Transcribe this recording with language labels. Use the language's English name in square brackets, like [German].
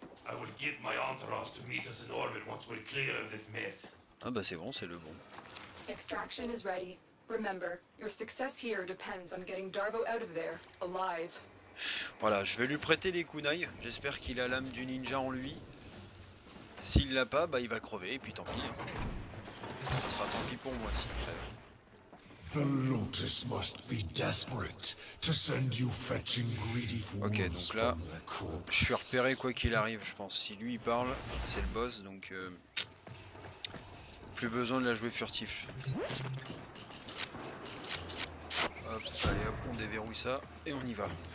[English] I will give my entourage to meet us in orbit once we're clear of this mess. [French] Ah bah c'est bon, c'est le bon. [English] Extraction is ready. Remember, your success here depends on getting Darvo out of there alive. [French] Voilà, je vais lui prêter des kunai, j'espère qu'il a l'âme du ninja en lui. S'il l'a pas, bah il va crever, et puis tant pis. Hein. Ça sera tant pis pour moi s'il crève. [English] The Lotus must be desperate to send you fetching greedy fools. [French] Ok, donc là, je suis repéré quoi qu'il arrive, je pense. Si lui il parle, c'est le boss, donc plus besoin de la jouer furtif. Hop, allez hop, on déverrouille ça et on y va.